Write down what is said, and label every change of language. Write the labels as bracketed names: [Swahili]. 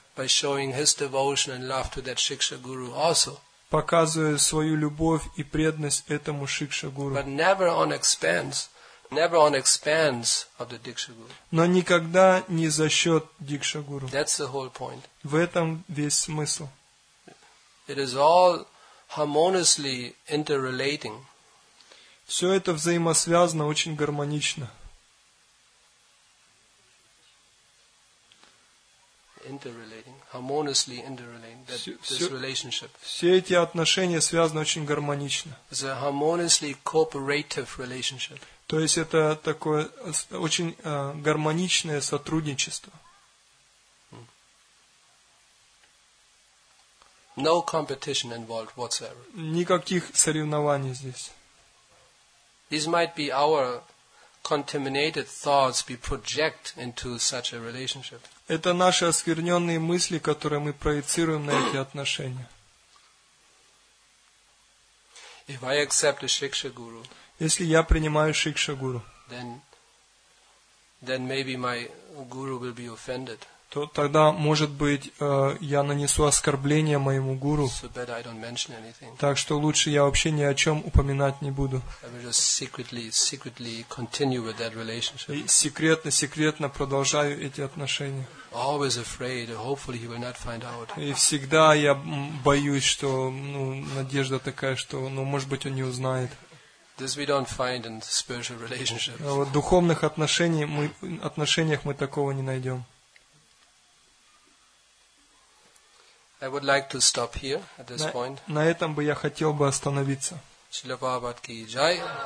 [English] By showing his devotion and love to that Shiksha Guru also. [Russian] Показывая свою любовь и преданность этому Шикша Гуру. [English] But never on expense. Never on expense of the Diksha Guru. [Russian] Но никогда не за счет Дикша Гуру. [English] That's the whole point. [Russian] В этом весь смысл. [English] It is all harmoniously interrelating. [Russian] Все это взаимосвязано очень гармонично. [English] Interrelating, harmoniously interrelating, this relationship. [Russian] Все эти отношения связаны очень гармонично. [English] It's a harmoniously cooperative relationship. [Russian] То есть это такое очень гармоничное сотрудничество. [English] No competition involved whatsoever. [Russian] Никаких соревнований здесь. [English] These might be our contaminated thoughts we project into such a relationship. [Russian] Это наши оскверненные мысли, которые мы проецируем на эти отношения. [English] If I accept a Shiksha Guru, [Russian] если я принимаю Шикша Гуру, [English] then maybe my guru will be offended. [Russian] То тогда, может быть, я нанесу оскорбление моему гуру. [English] So better I don't mention anything. [Russian] Так что лучше я вообще ни о чем упоминать не буду. [English] I will just secretly continue with that relationship. [Russian] И секретно продолжаю эти отношения. [English] Always afraid, hopefully he will not find out. [Russian] И всегда я боюсь, что надежда такая, что может быть он не узнает. [English] This we don't find in spiritual relationships. [Russian] В духовных отношениях мы такого не найдем. [English] I would like to stop here at this point. [Russian] На этом бы я хотел бы остановиться. Шрила Прабхупад ки джай.